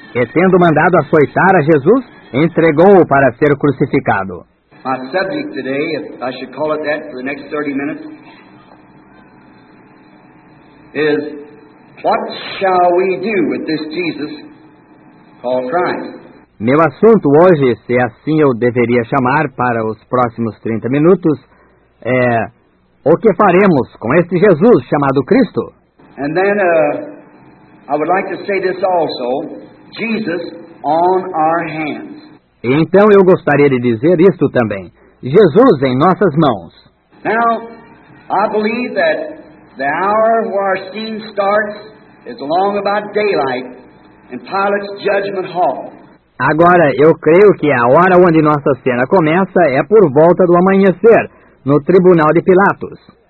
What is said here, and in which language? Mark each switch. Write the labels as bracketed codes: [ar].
[pt] E tendo mandado açoitar a Jesus, entregou-o para ser crucificado. [en] My subject today, if I should call it that for the next 30 minutes, is what shall we do with this Jesus called Christ? [pt] Meu assunto hoje, se assim eu deveria chamar para os próximos 30 minutos, é o que faremos com este Jesus chamado Cristo? [en] And then I would like to say this also, Jesus on our hands. [pt] E então eu gostaria de dizer isto também, Jesus em nossas mãos. [en] Now, I believe that the hour where our scene starts is along about daylight in Pilate's judgment hall. [pt] Agora, eu creio que a hora onde nossa cena começa é por volta do amanhecer, no tribunal de Pilatos.